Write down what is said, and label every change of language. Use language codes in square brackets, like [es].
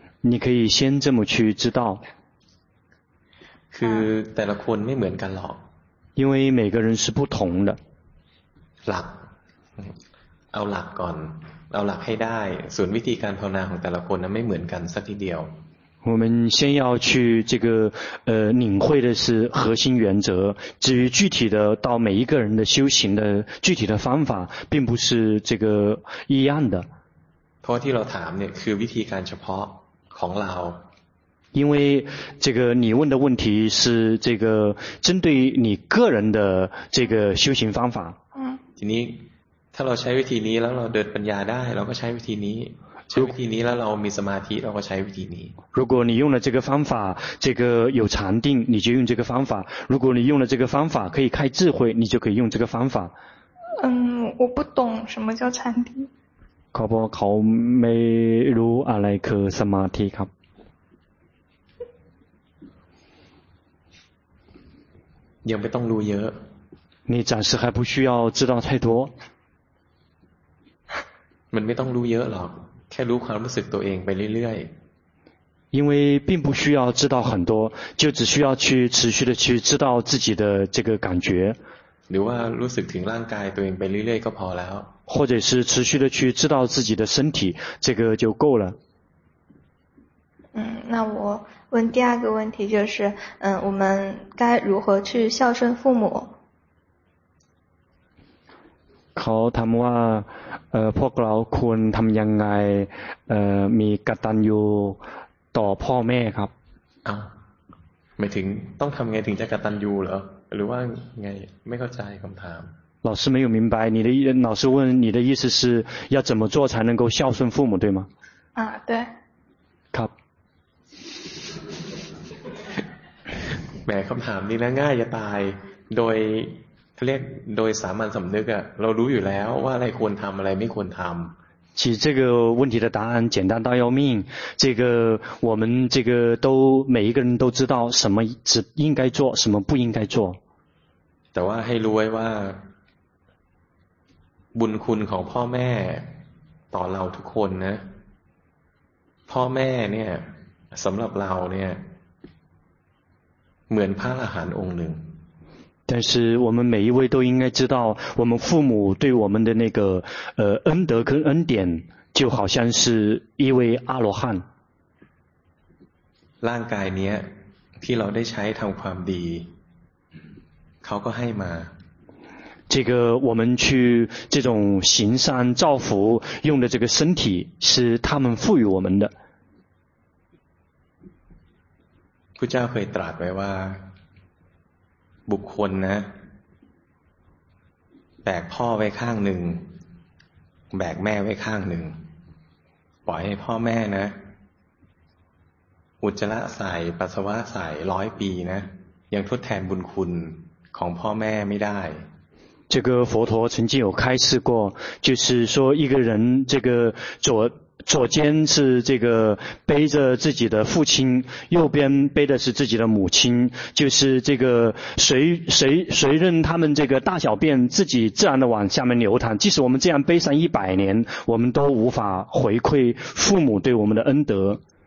[zh] 你可以先这么去知道 [th] คือแต่ละคนไม่เหมือนกันหรอก [zh] 因为每个人是不同的 [th] หลักเอาหลักก่อนเอาหลักให้ได้ส่วนวิธีการภาวนาของแต่ละคนนั้นไม่เหมือนกันสักทีเดียว [zh] 我们先要去这个领会的是核心原则，至于具体的到每一个人的修行的具体的方法，并不是这个一样的。 [th] พอที่เราถามเนี่ยคือวิธีการเฉพาะของเรา。 [zh] 因为这个你问的问题是这个针对你个人的这个修行方法。 [th] ทีนี้ถ้าเราใช้วิธีนี้แล้วเราเดินปัญญาได้เราก็ใช้วิธีนี้ใช้วิธีนี้แล้วเรามีสมาธิเราก็ใช้วิธีนี้ [zh] 如果你用了这个方法这个有禅定你就用这个方法如果你用了这个方法可以开智慧你就可以用这个方法我不懂什么叫禅定 [th] เขาไม่รู้อะไรคือสมาธิครับ ยังไม่ต้องรู้เยอะ [zh] 你暂时还不需要知道太多 [th] มันไม่ต้องรู้เยอะหรอกแค่รู้ความรู้สึกตัวเองไปเรื่อย [zh] ๆ因为并不需要知道很多就只需要去持续的去知道自己的这个感觉 [th] หรือว่ารู้สึกถึงร่างกายตัวเองไปเรื่อยๆก็พอแล้ว [zh] 或者是持续的去知道自己的身体这个就够了那我问第二个问题就是我们该如何去孝顺父母 [th] เขาถามว่าพวกเราควรทำยังไงมีกตัญญูต่อพ่อแม่ครับ ไม่ถึงต้องทำไงถึงจะกตัญญูเหรอหรือว่าไงไม่เข้าใจคำถาม [zh] 老师没有明白你的老师问你的意思是要怎么做才能够孝顺父母对吗对 [th] ครับ แหมคำถามนี้นะง่ายจะตายโดยเรียกโดยสามัญสำนึกอ่ะเรารู้อยู่แล้วว่าอะไรควรทำอะไรไม่ควรทำ [zh] 其实这个问题的答案简单到要命这个我们这个都每一个人都知道什么应该做什么不应该做 [th] แต่ว่าให้รู้ไว้ว่าบุญคุณของพ่อแม่ต่อเราทุกคนนะพ่อแม่เนี่ยสำหรับเราเนี่ยเหมือนพระอรหันต์องค์หนึ่ง [zh] 但是我们每一位都应该知道我们父母对我们的那个恩德跟恩典就好像是一位阿罗汉 [th] ร่างกายนี้ที่เราได้ใช้ทำความดีเขาก็ให้มา [zh] 这个我们去这种行善造福用的这个身体是他们赋予我们的 [th] พุทธเจ้าเคยตรัสไว้ว่าบุคคลนะแบกพ่อไว้ข้างหนึ่งแบกแม่ไว้ข้างหนึ่งปล่อยให้พ่อแม่นะอุจจาระใส่ปัสสาวะใส่ร้อยปีนะยังทดแทนบุญคุณของพ่อแม่ไม่ได้ [zh] 这个佛陀曾经有开示过就是说一个人这个左肩是这个背着自己的父亲右边背的是自己的母亲就是这个谁任他们这个大小便自己自然的往下面流淌即使我们这样背上100年我们都无法回馈父母对我们的恩德